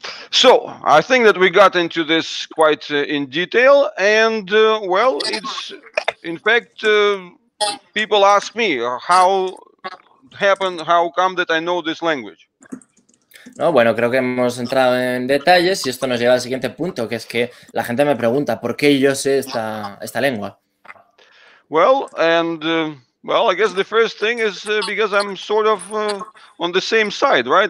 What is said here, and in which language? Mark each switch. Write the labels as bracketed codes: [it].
[en] So, I think that we got into this quite in detail. And, well, it's, in fact, people ask me how come that I know this language. [es] No, bueno, creo que hemos entrado en detalles y esto nos lleva al siguiente punto, que es que la gente me pregunta por qué yo sé esta lengua. [en] Well, and well, I guess the first thing is because I'm sort of on the same side, right?